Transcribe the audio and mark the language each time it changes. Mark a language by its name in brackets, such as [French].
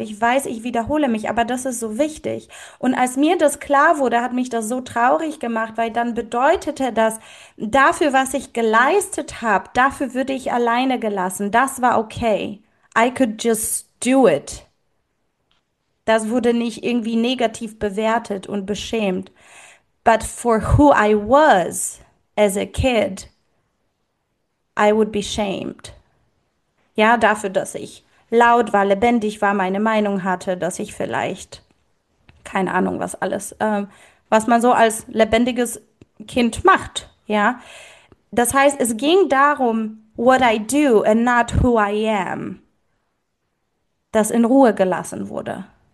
[German] Ich weiß, ich wiederhole mich, aber das ist so wichtig. Und als mir das klar wurde, hat mich das so traurig gemacht, weil dann bedeutete das, dafür, was ich geleistet habe, dafür würde ich alleine gelassen. Das war okay. [English] I could just do it. [German] Das wurde nicht irgendwie negativ bewertet und beschämt. [English] But for who I was as a kid, I would be shamed. [German] Ja, dafür, dass ich laut war, lebendig war, meine Meinung hatte, dass ich vielleicht, keine Ahnung, was alles, was man so als lebendiges Kind macht. Ja, das heißt, es ging darum, [English] what I do and not who I am, [German] das in Ruhe gelassen wurde.